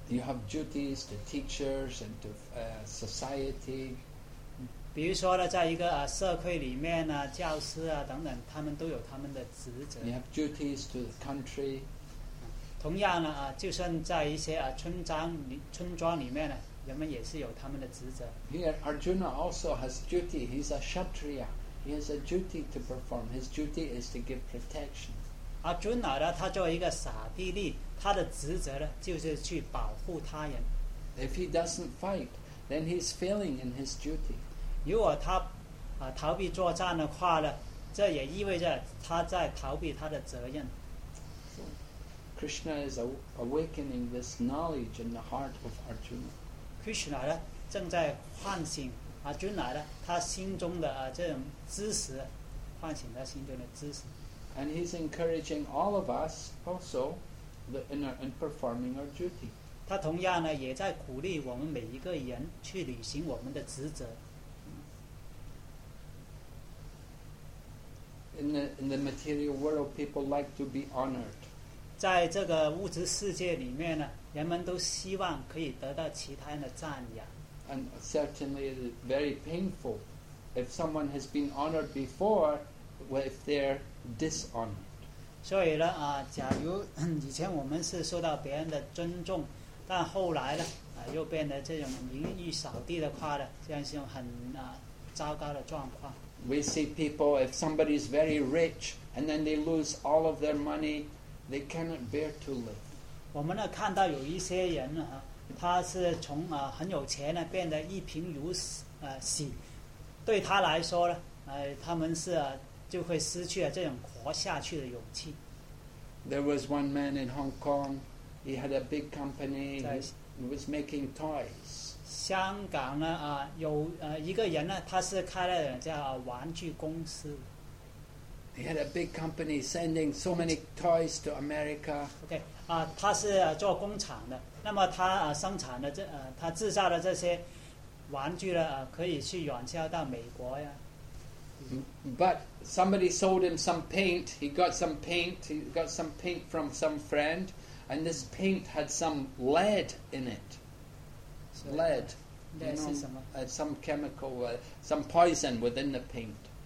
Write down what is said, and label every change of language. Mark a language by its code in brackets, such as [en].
[en] You have duties to teachers and to society. [zh] 比如说呢，在一个社会里面呢，教师啊等等，他们都有他们的职责。 [en] You have duties to the country. [zh] 同样呢，就算在一些村庄里面呢，人们也是有他们的职责。 [en] Here, Arjuna also has duty. He's a kshatriya. He has a duty to perform. His duty is to give protection. [zh] 阿尊那呢，他作为一个傻逼利，他的职责呢就是去保护他人。 [en] If he doesn't fight, then he's failing in his duty. [zh] 如果他逃避作战的话呢，这也意味着他在逃避他的责任。 [en] So, Krishna is awakening this knowledge in the heart of Arjuna. [zh] Krishna 呢正在唤醒阿尊那呢，他心中的这种知识，唤醒他心中的知识。 [en] And he's encouraging all of us also in performing our duty. [zh] 他同样呢也在鼓励我们每一个人去履行我们的职责。 [en] In the material world, people like to be honored. [zh] 在这个物质世界里面呢，人们都希望可以得到其他人的赞扬。 [en] And certainly it is very painful if someone has been honored before, if they're dishonored. [zh] 所以呢，假如以前我们是受到别人的尊重，但后来呢，又变得这种名誉扫地的话呢，这样是种很糟糕的状况。 [en] We see people, if somebody is very rich and then they lose all of their money, they cannot bear to live. [zh] 我们呢看到有一些人呢，他是从很有钱呢变得一贫如洗，对他来说呢，他们是。就会失去了这种活下去的勇气。 [en] There was one man in Hong Kong. He had a big company. He was making toys. [zh] 香港呢，有一个人呢，他是开了叫玩具公司。 [en] He had a big company sending so many toys to America. [zh] Okay, 他是做工厂的，那么他生产的他制造的这些玩具呢，可以去远销到美国呀。 [en] But somebody sold him some paint. He got some paint. He got some paint from some friend, and this paint had some lead in it. Lead, you know, some chemical, some poison within the paint.